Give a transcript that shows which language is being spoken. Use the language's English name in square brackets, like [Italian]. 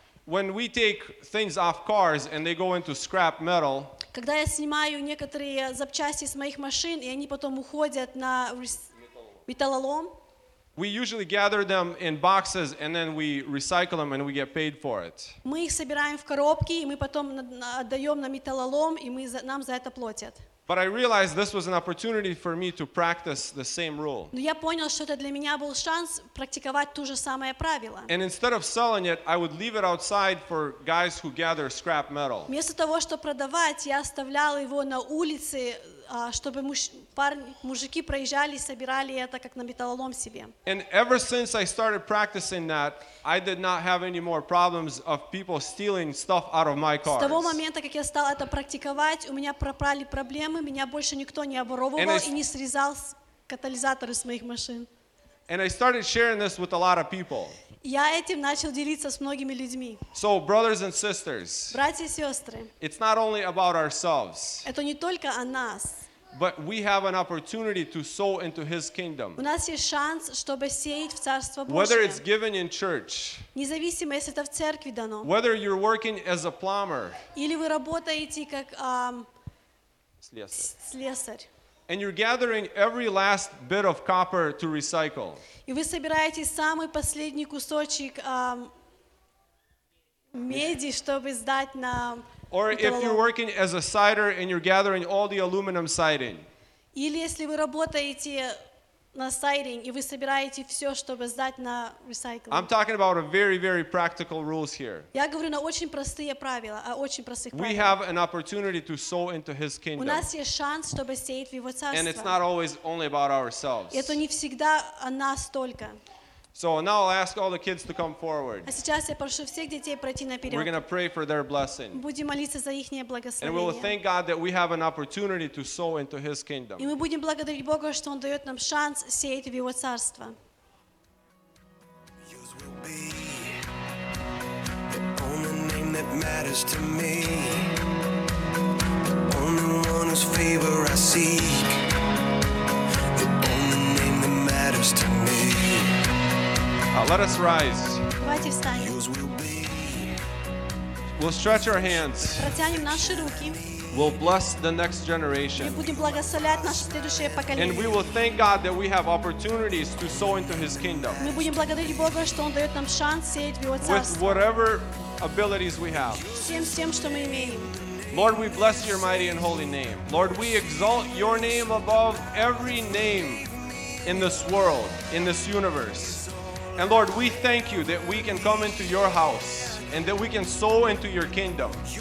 [English] When we take things off cars and they go into scrap metal. [Russian] Когда я снимаю некоторые запчасти с моих машин и они потом уходят на металлолом. [English] We usually gather them in boxes and then we recycle them and we get paid for it. [Russian] Мы их собираем в коробки и мы потом отдаем на металлолом и мы нам за это платят. [English] But I realized this was an opportunity for me to practice the same rule. [Russian] Но я понял, что это для меня был шанс практиковать то же самое правило. [English] And instead of selling it, I would leave it outside for guys who gather scrap metal. [Russian] Вместо того, чтобы продавать, я оставлял его на улице, чтобы мужики проезжали и собирали это как на металлолом себе. [English] And ever since I started practicing that, I did not have any more problems of people stealing stuff out of my cars. [Russian] С того момента, как я стал это практиковать, у меня пропали проблемы, меня больше никто не оборовывал и не срезал катализаторы с моих машин. [English] And I started sharing this with a lot of people. [Russian] Я этим начал делиться с многими людьми. [English] So, brothers and sisters, [Russian] братья и сестры, [English] it's not only about ourselves. [Russian] Это не только о нас. [English] But we have an opportunity to sow into His kingdom. [Russian] У нас есть шанс, чтобы сеять в Царство Божие. [English] Whether it's given in church. [Russian] Независимо, если это в церкви дано. Whether you're working as a plumber. Или вы работаете как слесарь. [English] And you're gathering every last bit of copper to recycle. [Russian] И вы собираете самый последний кусочек меди, чтобы сдать на металлолом. [English] Or if you're working as a cider and you're gathering all the aluminum siding. [Russian] Или если вы работаете на сайдинг и вы собираете все, чтобы сдать на recycling. [English] I'm talking about a very, very practical rules here. [Russian] Я говорю на очень простые правила, о очень простых правилах. [English] We have an opportunity to sow into His kingdom. [Russian] У нас есть шанс, чтобы сеять в Его царство. [English] And it's not always only about ourselves. [Russian] Это не всегда о нас только. [English] So now I'll ask all the kids to come forward. [Russian] А сейчас я прошу всех детей пройти наперед. [English] We're going to pray for their blessing. [Russian] Будем молиться за их благословение. [English] And we will thank God that we have an opportunity to sow into His kingdom. [Russian] И мы будем благодарить Бога, что Он дает нам шанс сеять в Его царство. [English] Yours will be the only name that matters to me. The only one whose favor I seek. The only name that matters to me. Let us rise. [Russian] Давайте встанем. [English] We'll stretch our hands. [Russian] Протянем наши руки. [English] We'll bless the next generation. [Russian] Мы будем благословлять наше следующее поколение. [English] And we will thank God that we have opportunities to sow into His kingdom. [Russian] Мы будем благодарить Бога, что Он дает нам шанс сеять в Его царство. [English] With whatever abilities we have. [Russian] Всем, что мы имеем. [English] Lord, we bless Your mighty and holy name. Lord, we exalt Your name above every name in this world, in this universe. And Lord, we thank You that we can come into Your house and that we can sow into Your kingdom.